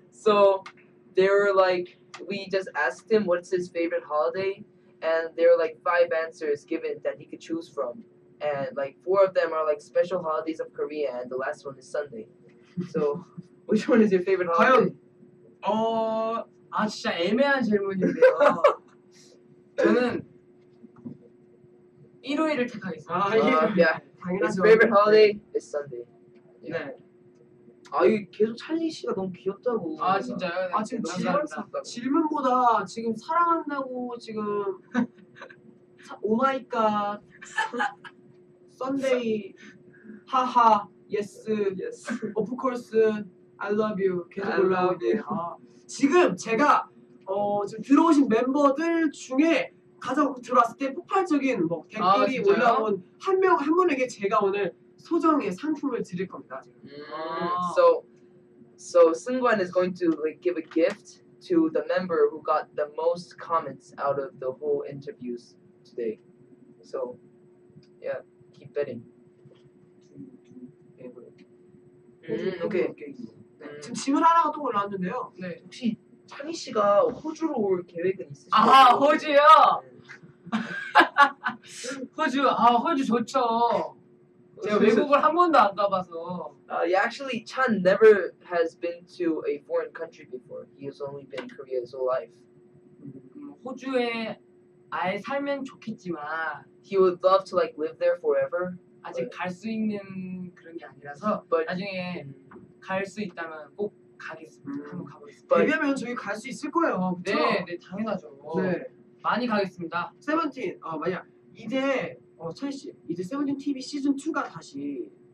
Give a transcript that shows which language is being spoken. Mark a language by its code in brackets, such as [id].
[en] So they were like, we just asked him what's his favorite holiday, and there were like 5 answers given that he could choose from, and like 4 of them are like special holidays of Korea, and the last one is Sunday. So which one is your favorite holiday? [ko] 과연 아 진짜 애매한 질문인데요. 저는 일요일을 택하겠습니다. 아, 야, 당연하죠. [en] Favorite holiday is Sunday. [ko] 네. 아, 이 계속 찬리 씨가 너무 귀엽다고. 아 진짜요? 아 지금 질문보다 지금 사랑한다고 지금 [en] 오마이갓 Sunday [ko] 하하 예스 [en] 예스 of course I love you [ko] 계속 올라오게. [en] 아. [ko] 지금 제가 지금 들어오신 멤버들 중에 가장 들어왔을 때 폭발적인 뭐 댓글이 아, 올라온 한 분에게 제가 오늘 소정의 상품을 드릴 겁니다. [en] So Seungwan is going to like give a gift to the member who got the most comments out of the whole interviews today. So yeah, keep betting. Okay. [ko] 지금 질문 하나가 또 올라왔는데요. 네. 혹시 찬희 씨가 호주로 올 계획은 있으세요? 아 호주요? 호주 아 호주 좋죠. 제가 외국을 한 번도 안 가봐서. [en] Yeah, actually, Chan never has been to a foreign country before. He has only been in Korea his whole life. [ko] 호주에 아예 살면 좋겠지만. [en] He would love to like live there forever. [ko] 아직 갈 수 있는 그런 게 아니라서. [en] But [ko] 나중에. 갈 수 있다면 꼭 가겠습니다. 한번 가보겠습니다. 데뷔하면 저희 갈 수 있을 거예요. 그렇죠? 네, 네, 당연하죠. 네. 많이 가겠습니다. 세븐틴, 이제 찬희 씨, 이제 세븐틴 TV 시즌 2가 다시